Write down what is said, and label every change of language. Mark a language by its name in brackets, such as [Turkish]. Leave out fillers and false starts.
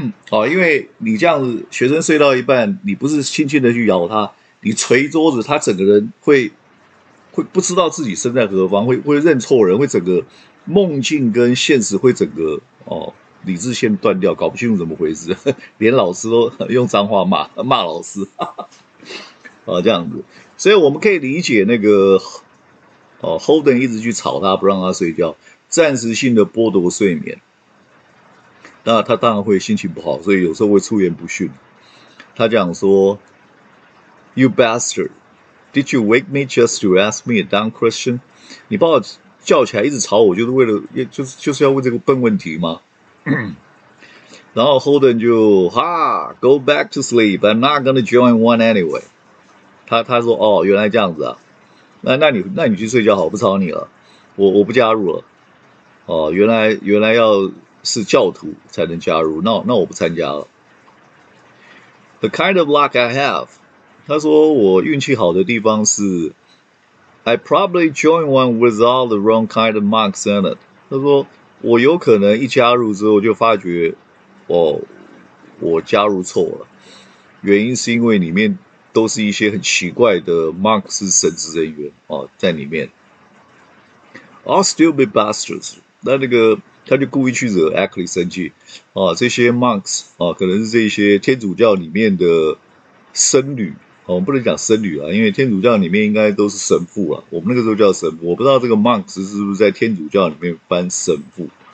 [Chinese] 哦，因为你这样子学生睡到一半，你不是轻轻的去咬他，你捶桌子，他整个人会不知道自己身在何方，会认错人，会整个梦境跟现实会整个哦理智线断掉，搞不清楚怎么回事，连老师都用脏话骂老师，哈哈，哦，这样子。所以我们可以理解那个哦 Holden 一直去吵他不让他睡觉，暂时性的剥夺睡眠，那他当然会心情不好，所以有时候会出言不逊。他讲说 [English] You bastard, did you wake me just to ask me a dumb question? [Chinese] 你把我叫起来一直吵我，就是为了就是要问这个笨问题吗？然后 [English] Holden 就 Ha, go back to sleep, I'm not gonna join one anyway. [Chinese] 他说哦，原来这样子啊，那你去睡觉好，不吵你了，我不加入了。哦，原来要是教徒才能加入，那我不参加了。 [English] The kind of luck I have, [Chinese] 他说我运气好的地方是 [English] I probably join one with all the wrong kind of marks in it. [Chinese] 他说我有可能一加入之后就发觉哦，我加入错了，原因是因为里面都是一些很奇怪的 marks 神职人员，哦，在里面。 [English] All stupid bastards, [Chinese] 那个他就故意去惹 Ackley 生气，啊，这些 monks，啊，可能是这些天主教里面的僧侣，啊，我们不能讲僧侣啦，因为天主教里面应该都是神父啦，我们那个时候叫神父，我不知道这个 monks 是不是在天主教里面翻神父。